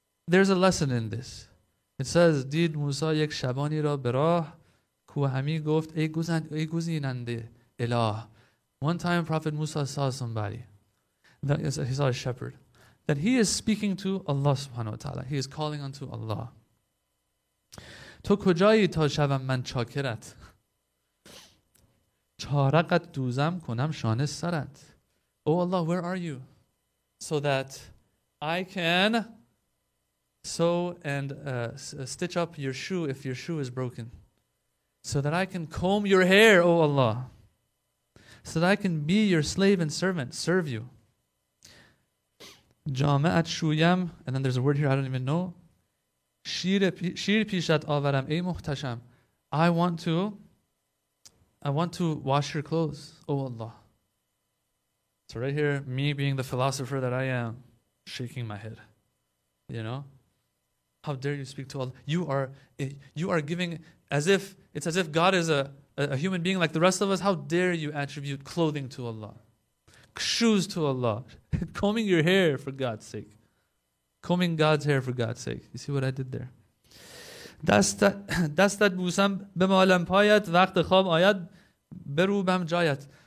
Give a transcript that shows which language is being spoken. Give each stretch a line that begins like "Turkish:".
English: There's a lesson in this. It says,
Persian: "Did Musa yek shabani ra berah kuhami goft ay guzinande ilah."
English: One time, Prophet Musa saw somebody. He saw a shepherd. That he is speaking to Allah subhanahu wa ta'ala. He is calling unto Allah.
Persian: تو کجایی تا شوم من چاکرت چارقت دوزم کنم شانه سرت.
English: Oh Allah, where are you? So that I can sew and stitch up your shoe if your shoe is broken. So that I can comb your hair, oh Allah. So that I can be your slave and servant, serve you.
Persian: جامعت شویم,
English: and then there's a word here I don't even know.
Persian: شیر پیشت آورم ای محتشم.
English: I want to wash your clothes, oh Allah. So right here, me being the philosopher that I am, shaking my head. You know? How dare you speak to Allah? You are giving, as if, it's as if God is a human being like the rest of us. How dare you attribute clothing to Allah? Shoes to Allah. Combing your hair, for God's sake. Combing God's hair, for God's sake. You see what I did there?
Persian: دستت بوسم بمالم پایت وقت خواب آید بروبم جایت.